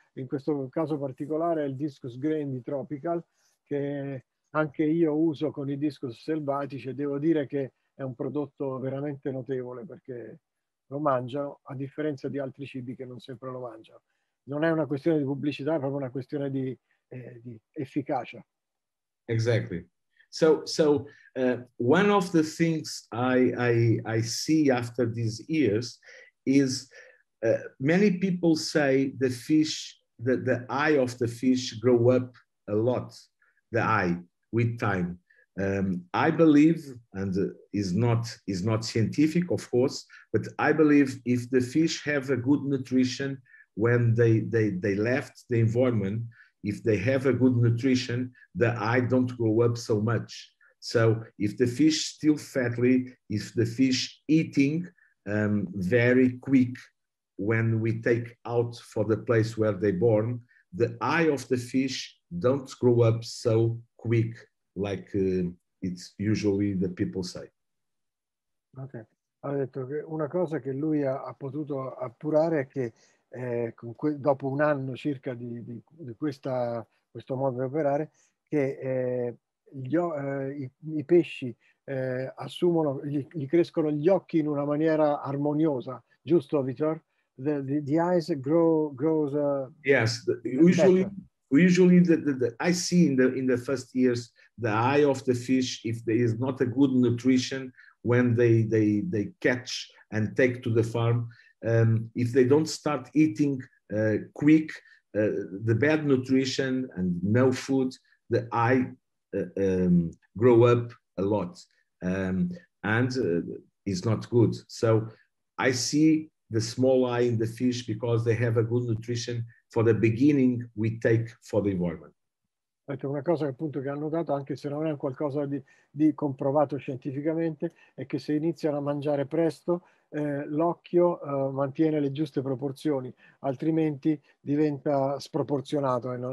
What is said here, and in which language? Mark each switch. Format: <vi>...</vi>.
<it>In questo caso particolare è il discus grain di Tropical, che anche io uso con i discus selvatici, e devo dire che è un prodotto veramente notevole, perché lo mangiano, a differenza di altri cibi che non sempre lo mangiano. Non è una questione di pubblicità, è proprio una questione di efficacia.</it> <en>Exactly. So one of the things I see after these years is many people say the fish, that the eye of the fish grow up a lot, the eye with time. I believe, and is not scientific, of course, but I believe if the fish have a good nutrition when they left the environment, if they have a good nutrition, the eye don't grow up so much. So if the fish still fatty, if the fish eating very quick, when we take out for the place where they born, the eye of the fish don't grow up so quick like it's usually the people say.</en> <it>Ok, ha detto che una cosa che lui ha potuto appurare è che dopo un anno circa di questo modo di operare, che i pesci assumono, gli crescono gli occhi in una maniera armoniosa, giusto, Vitor?</it> <en>The eyes grows. Yes, usually the I see in the first years the eye of the fish, if there is not a good nutrition when they catch and take to the farm, if they don't start eating quick, the bad nutrition and no food, the eye grow up a lot and is not good. So I see the small eye in the fish because they have a good nutrition for the beginning we take for the environment.</en> <it>Ecco, una cosa appunto che hanno notato, anche se non è qualcosa di comprovato scientificamente, è che se iniziano a mangiare presto, l'occhio mantiene le giuste proporzioni, altrimenti diventa sproporzionato.</it>